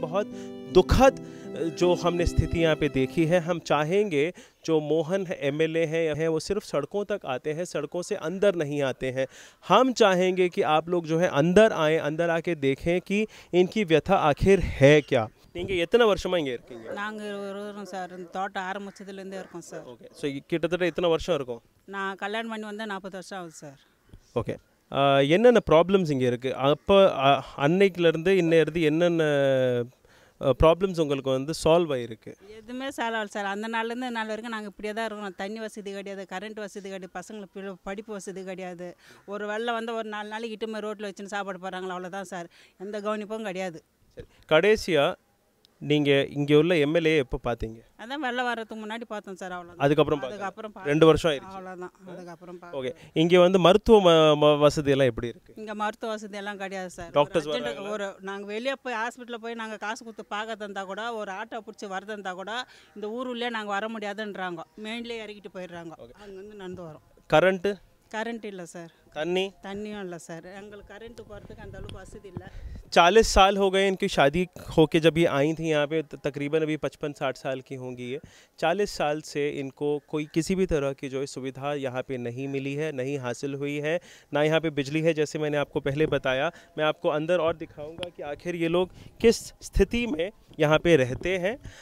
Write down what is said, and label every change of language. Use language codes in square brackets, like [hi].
[hi] बहुत दुखद जो हमने स्थिति यहाँ पे देखी है। हम चाहेंगे जो मोहन एमएलए हैं वो सिर्फ सड़कों तक आते हैं, सड़कों से अंदर नहीं आते हैं। हम चाहेंगे कि आप लोग जो है अंदर आएं, अंदर आके देखें कि इनकी व्यथा आखिर है क्या। [ta] நீங்க எத்தனை வருஷமா இங்க இருக்கீங்க? நாங்க வருவோம் சார், தோட்டம் ஆரம்பிச்சதுல இருந்தே இருக்கோம் சார். ஓகே, சோ கிட்டத்தட்ட எத்தனை வருஷம் இருக்கும்? நான் கல்யாணம் பண்ணி வந்த 40 வருஷம் ஆகுது சார். ஓகே, என்னென்ன ப்ராப்ளம்ஸ் இங்க இருக்கு? அப்ப அன்னைக்குல இருந்து இன்னையிறது என்னென்ன ப்ராப்ளம்ஸ் உங்களுக்கு வந்து சால்வ் ஆயிருக்கு? எதுவுமே சால்வ் ஆகல சார். அந்த நாள்லேருந்து நாள் வரைக்கும் நாங்கள் இப்படியே தான் இருக்கோம். தண்ணி வசதி கிடையாது, கரண்ட் வசதி கிடையாது, பசங்களுக்கு படிப்பு வசதி கிடையாது. ஒரு வெள்ளம் வந்து ஒரு நாலு நாளைக்கு இட்டுமே ரோட்டில் வச்சுன்னு சாப்பாடு போகிறாங்களோ அவ்வளோதான் சார், எந்த கவனிப்பும் கிடையாது. சரி, கடைசியாக நீங்கள் இங்கே உள்ள எம்எல்ஏ எப்போ பார்த்தீங்க? அதான் வெள்ளம் வர்றதுக்கு முன்னாடி பார்த்தோம் சார். அவ்வளோ அதுக்கப்புறம் அதுக்கப்புறம் ரெண்டு வருஷம் ஆயிருக்கும். அவ்வளோதான், அதுக்கப்புறம் ஓகே. இங்கே வந்து மருத்துவ வசதி எல்லாம் எப்படி இருக்கு? இங்கே மருத்துவ வசதி எல்லாம் கிடையாது சார். டாக்டர்ஸ் ஒரு நாங்கள் வெளியே போய் ஹாஸ்பிட்டலில் போய் நாங்கள் காசு கொடுத்து பார்க்க தந்தால் கூட, ஒரு ஆட்டோ பிடிச்சி வர தந்தால் கூட இந்த ஊர் உள்ளே நாங்கள் வர முடியாதுன்றாங்க. மெயின்லேயே இறக்கிட்டு போயிடுறாங்க, அங்கேருந்து நடந்து வரோம். கரண்ட்டு? கரண்ட் இல்லை சார். தண்ணி? தண்ணியும் இல்லை சார். எங்களுக்கு கரண்ட்டு போகிறதுக்கு அந்த அளவுக்கு வசதி இல்லை. [hi] 40 साल हो गए इनकी शादी होके, जब ये आई थी यहाँ पे तकरीबन अभी 55-60 साल की होंगी ये। 40 साल से इनको कोई किसी भी तरह की जो है सुविधा यहाँ पे नहीं मिली है, नहीं हासिल हुई है, ना यहाँ पे बिजली है। जैसे मैंने आपको पहले बताया, मैं आपको अंदर और दिखाऊंगा कि आखिर ये लोग किस स्थिति में यहाँ पे रहते हैं।